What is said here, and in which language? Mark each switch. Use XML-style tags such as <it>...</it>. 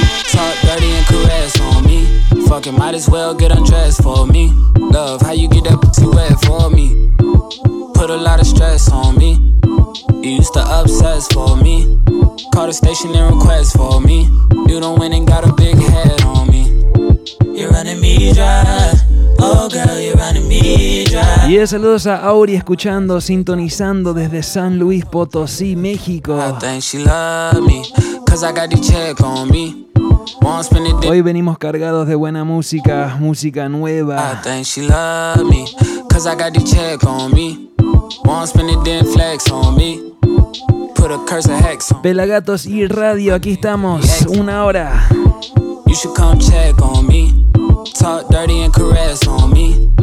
<en>Talk dirty and caress on me. Fucking might as well get undressed for me. Love, how you get that pussy wet for me? Put a lot of stress on me. You used to obsess for me. Call the station and request for me. You don't win and got a big head on me. You're running me dry. Oh girl, you're running me dry.</en> <es>Y de saludos a Auri escuchando, sintonizando desde San Luis Potosí, México.</es> <en>I think she love me, cause I got the check on me.</en> <es>Hoy venimos cargados de buena música, música nueva.</es> <en>I think she love me, cause I got the check on me. Won't spend it then flex on me. Put a curse of hex on me.</en> <es>Pelagatos y radio, aquí estamos, una hora.</es> <en>You should come check on me. Talk dirty and caress on me.</en>